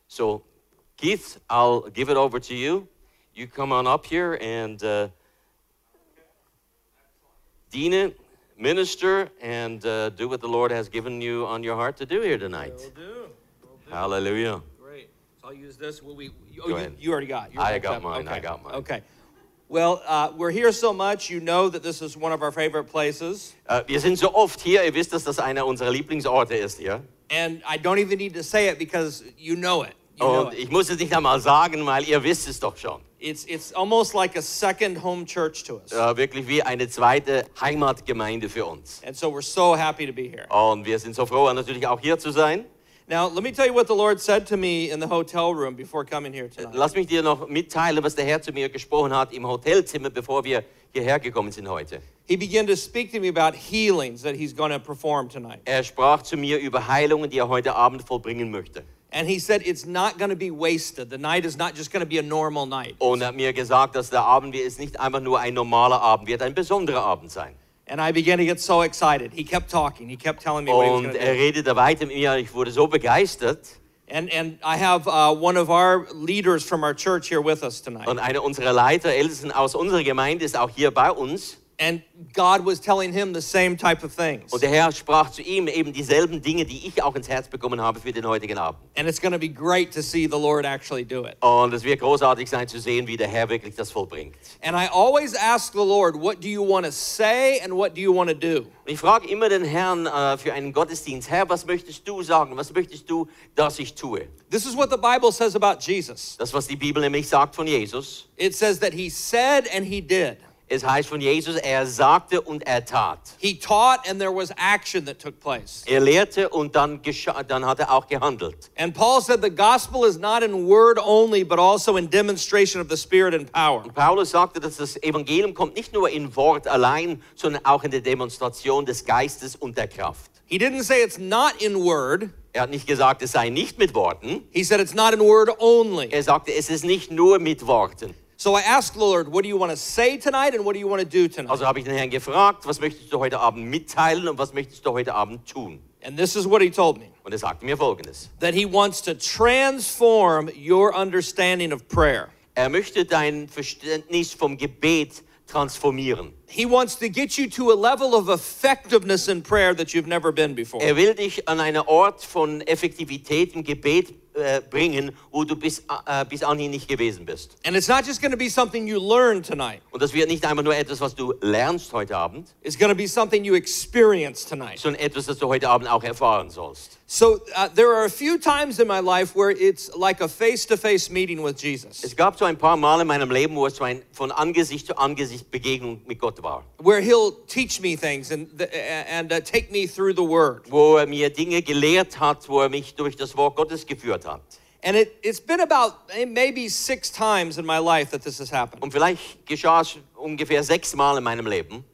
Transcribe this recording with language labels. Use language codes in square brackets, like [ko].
[en] So, Keith, I'll give it over to you. You come on up here and dean it, minister, and do what the Lord has given you on your heart to do here tonight. Will do. Hallelujah. Great. So I'll use this. You already got mine. Okay. I got mine. Okay. Well, we're here so much, you know that this is one of our favorite places. [de] Wir sind so oft hier, ihr wisst, dass das einer unserer Lieblingsorte ist, ja? [en] And I don't even need to say it because you know it. [de] Ich muss es nicht einmal sagen, weil ihr wisst es doch schon. [en] It's almost like a second home church to us. [de] Wirklich wie eine zweite Heimatgemeinde für uns. [en] And so we're so happy to be here. [de] Und wir sind so froh, natürlich auch hier zu sein. [en] Now, let me tell you what the Lord said to me in the hotel room before coming here tonight. [de] Lass mich dir noch mitteilen, was der Herr zu mir gesprochen hat im Hotelzimmer, bevor wir hierher gekommen sind heute. [en] He began to speak to me about healings that he's going to perform tonight. [de] Er sprach zu mir über Heilungen, die er heute Abend vollbringen möchte. [en] And he said, it's not going to be wasted. The night is not just going to be a normal night. [de] Und er hat mir gesagt, dass der Abend ist nicht einfach nur ein normaler Abend, wird ein besonderer Abend sein. [en] And I began to get so excited. He kept talking. He kept telling me what [de] und [en] he was going to do. [de] Er redete weiter mit mir. Ich wurde so begeistert. [en] And I have one of our leaders from our church here with us tonight. [de] Und einer unserer Leiter, Ältesten aus unserer Gemeinde, ist auch hier bei uns. [en] And God was telling him the same type of things. [de] Und der Herr sprach zu ihm eben dieselben Dinge, die ich auch ins Herz bekommen habe für den heutigen Abend. [en] And it's going to be great to see the Lord actually do it. [de] Und es wird großartig sein zu sehen, wie der Herr wirklich das vollbringt. [en] And I always ask the Lord, what do you want to say and what do you want to do? [de] Ich frage immer den Herrn für einen Gottesdienst, Herr, was möchtest du sagen? Was möchtest du, dass ich tue? [en] This is what the Bible says about Jesus. [de] Das, was die Bibel nämlich sagt von Jesus. [en] It says that he said and he did. [de] Es heißt von Jesus, er sagte und er tat. [en] He taught and there was action that took place. [de] Er lehrte und dann hat er auch gehandelt. [en] And Paul said the gospel is not in word only, but also in demonstration of the Spirit and power. [de] Und Paulus sagte, dass das Evangelium kommt nicht nur in Wort allein, sondern auch in der Demonstration des Geistes und der Kraft. [en] He didn't say it's not in word. [de] Er hat nicht gesagt, es sei nicht mit Worten. [en] He said it's not in word only. [de] Er sagte, es ist nicht nur mit Worten. [en] So I asked the Lord, what do you want to say tonight and what do you want to do tonight? [de] Also habe ich den Herrn gefragt, was möchtest du heute Abend mitteilen und was möchtest du heute Abend tun? [en] And this is what he told me. [de] Und er sagte mir Folgendes. [en] That he wants to transform your understanding of prayer. [de] Er möchte dein Verständnis vom Gebet transformieren. [en] He wants to get you to a level of effectiveness in prayer that you've never been before. [de] Er will dich an einen Ort von Effektivität im Gebet bringen, wo du bis anhin nicht gewesen bist. [en] And it's not just going to be something you learn tonight. [de] Und das wird nicht einfach nur etwas, was du lernst heute Abend. [en] It's going to be something you experience tonight. [de] Sondern etwas, das du heute Abend auch erfahren sollst. [en] So there are a few times in my life where it's like a face-to-face meeting with Jesus. [de] Es gab so ein paar Male in meinem Leben, wo es so ein von Angesicht zu Angesicht Begegnung mit Gott war. [en] Where he'll teach me things and take me through the Word. [de] Wo er mir Dinge gelehrt hat, wo er mich durch das Wort Gottes geführt hat. [en] And it's been about maybe 6 times in my life that this has happened. [de] Und vielleicht geschah es ungefähr 6 Mal in meinem Leben.